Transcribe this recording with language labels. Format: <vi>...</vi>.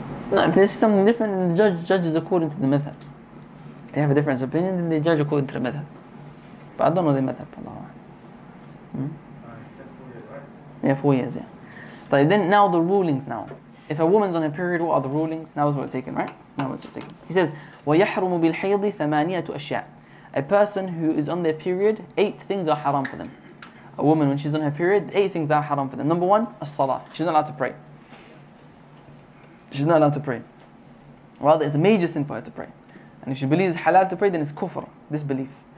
<en>No, if this is something different, then the judge judges according to the madhab. If they have a different opinion, then they judge according to the madhab. But I don't know the madhab, Allah. Hmm? 4 years, right? Yeah, 4 years, yeah. But then now the rulings now. If a woman's on a period, what are the rulings? Now is what it's taken, right? Now is what it's taken. He says,</en> <ar>وَيَحْرُمُ بِالْحَيْضِ ثَمَانِيَةُ أَشْيَاءُ.</ar> <en>A person who is on their period, 8 things are haram for them. A woman, when she's on her period, 8 things are haram for them. Number one, as-salah. She's not allowed to pray. She's not allowed to pray. Rather, it's a major sin for her to pray. And if she believes it's halal to pray, then it's kufr, disbelief.</en>